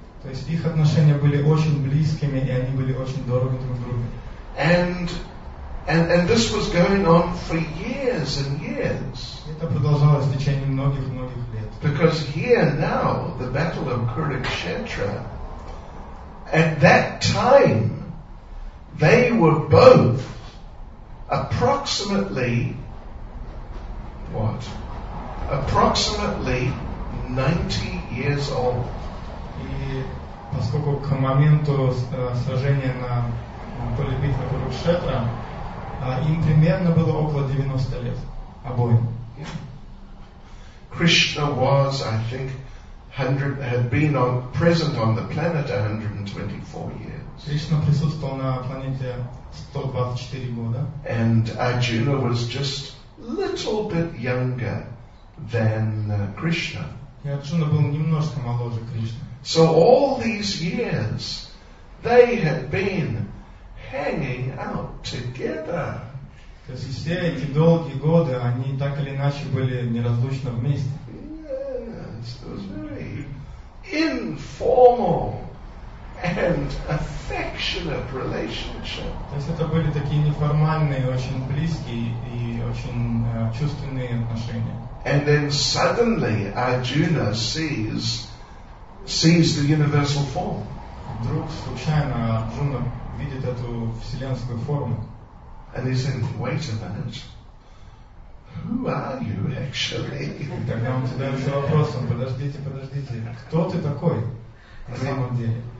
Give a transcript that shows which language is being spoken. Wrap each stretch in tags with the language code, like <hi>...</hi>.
<ru>То есть их отношения были очень близкими, и они были очень дороги друг другу.</ru> <en>And this was going on for years and years.</en> <ru>Это продолжалось в течение многих лет.</ru> <en>Because here now, the battle of Kurukshetra, at that time, they were both approximately 90 years old.</en> <ru>И поскольку к моменту сражения на поле битвы Курукшетра им примерно было около 90 лет обоим.</ru> <en>Krishna was, I think, had been present on the planet 124 years.</en> <ru>Кришна присутствовал на планете 124 года.</ru> <en>And Arjuna was just little bit younger than Krishna.</en> <ru>И Арджуна был немножко моложе Кришны.</ru> <en>So all these years they had been hanging out together.</en> <ru>То есть все эти долгие годы они так или иначе были неразлучно вместе.</ru> <en>Yes, it was very informal and affectionate relationship.</en> <ru>То есть это были такие неформальные, очень близкие и очень чувственные отношения.</ru> <en>And then suddenly Arjuna sees the universal form.</en> <ru>Вдруг случайно Арджуна видит эту вселенскую форму.</ru> <en>And he said, wait a minute, who are you actually?</en> <ru>Тогда он задает себе вопросом, подождите, кто ты такой на самом деле?</ru>